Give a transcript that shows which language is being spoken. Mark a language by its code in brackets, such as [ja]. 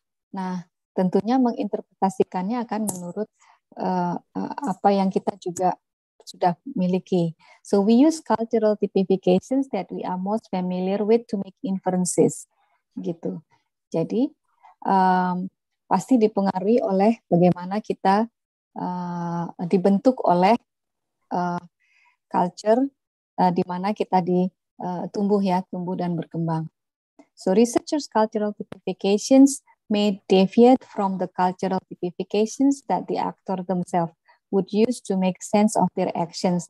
[id] Nah, tentunya menginterpretasikannya akan menurut apa yang kita juga sudah miliki. [en] So we use cultural typifications that we are most familiar with to make inferences. [id] Gitu. Jadi pasti dipengaruhi oleh bagaimana kita dibentuk oleh culture di mana kita tumbuh dan berkembang. [en] So researchers' cultural typifications may deviate from the cultural typifications that the actor themselves would use to make sense of their actions.